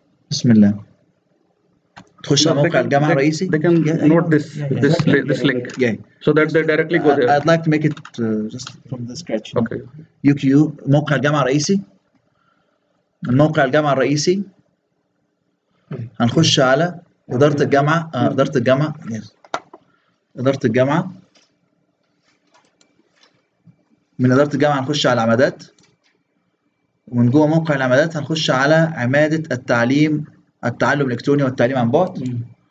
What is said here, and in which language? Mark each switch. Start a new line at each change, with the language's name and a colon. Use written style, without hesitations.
Arabic: بسم الله، تخش على موقع الجامعه الرئيسي.
English: They can note this link so that they directly go there. I'd like to make it just from the scratch. Okay.
Arabic: UQ موقع الجامعه الرئيسي. الموقع الجامعه الرئيسي هنخش على اداره الجامعه. اداره الجامعه. اداره الجامعه. من اداره الجامعه هنخش على العمادات، ومن جوه موقع العمادات هنخش على عماده التعليم، التعلم الالكتروني والتعليم عن بعد.